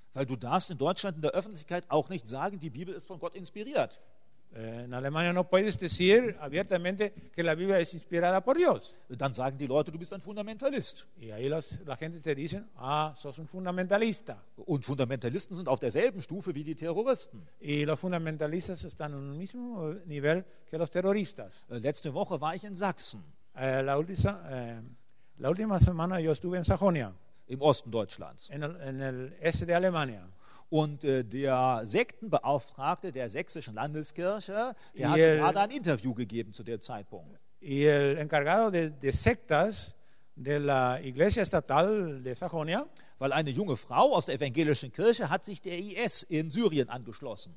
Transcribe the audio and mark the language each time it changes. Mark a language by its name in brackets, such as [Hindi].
[German] Weil du darfst in Deutschland in der Öffentlichkeit auch nicht sagen, die Bibel ist von Gott inspiriert. [Spanish] In Alemania no puedes decir abiertamente que la Biblia es inspirada por Dios. [German] Dann sagen die Leute, du bist ein Fundamentalist. [Spanish] Y ahí la gente te dice, ah, sos un fundamentalista. [German] Und Fundamentalisten sind auf derselben Stufe wie die Terroristen. [Spanish] Y los fundamentalistas están en el mismo nivel que los terroristas. [German] Letzte Woche war ich in Sachsen. [Spanish] La última semana yo estuve en Sajonia. [German] Im Osten Deutschlands. [Spanish] In el este de Alemania. [German] Und der Sektenbeauftragte der sächsischen Landeskirche, der hatte gerade ein Interview gegeben zu dem Zeitpunkt. [Spanish] Y el encargado de sectas de la iglesia estatal de Sajonia, [German] weil eine junge Frau aus der evangelischen Kirche hat sich der IS in Syrien angeschlossen.